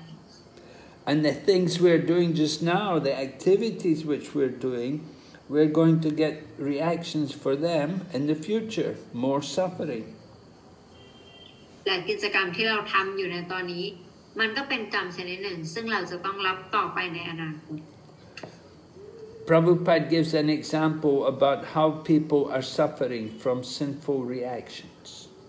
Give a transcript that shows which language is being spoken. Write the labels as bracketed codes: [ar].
[en] And the things we're doing just now, the activities which we're doing, we're going to get reactions for them in the future, more suffering. [th] และกิจกรรมที่เราทำอยู่ในตอนนี้มันก็เป็นกรรมชนิดหนึ่งซึ่งเราจะต้องรับต่อไปในอนาคต [en] Prabhupada gives an example about how people are suffering from sinful reactions.